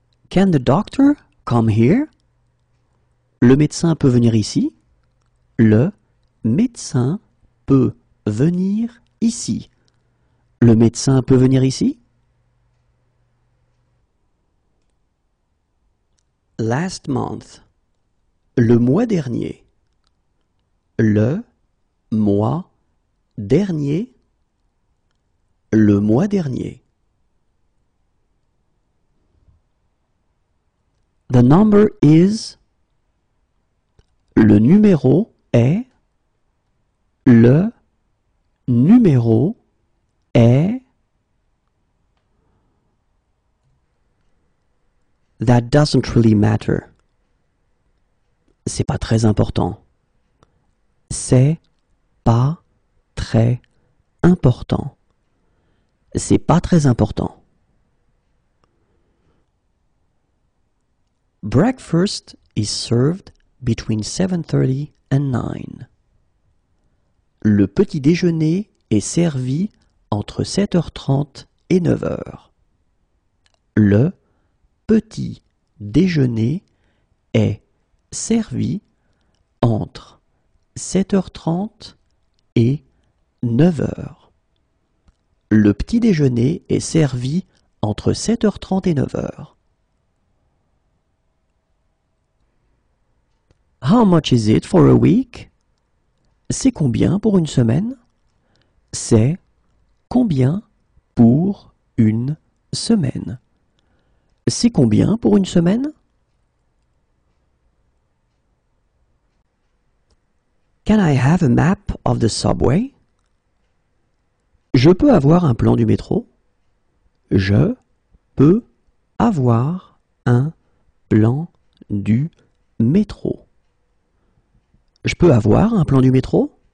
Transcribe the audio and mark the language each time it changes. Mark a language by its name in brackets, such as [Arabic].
[English] Can the doctor come here? [French] Le médecin peut venir ici? Le médecin peut venir ici. Le médecin peut venir ici? [English] Last month. [French] Le mois dernier. Le mois dernier. Le mois dernier. [English] The number is. [French] Le numéro est. Le numéro est. [English] That doesn't really matter. [French] C'est pas très important. C'est pas très important. C'est pas très important. [English] Breakfast is served between 7:30 and 9. [French] Le petit déjeuner est servi entre 7h30 et 9h. Le petit déjeuner est servi entre 7h30 et 9h. Le petit déjeuner est servi entre 7h30 et 9h. [English] How much is it for a week? [French] C'est combien pour une semaine? C'est combien pour une semaine? C'est combien pour une semaine? [English] Can I have a map of the subway? [French] Je peux avoir un plan du métro? Je peux avoir un plan du métro? Je peux avoir un plan du métro?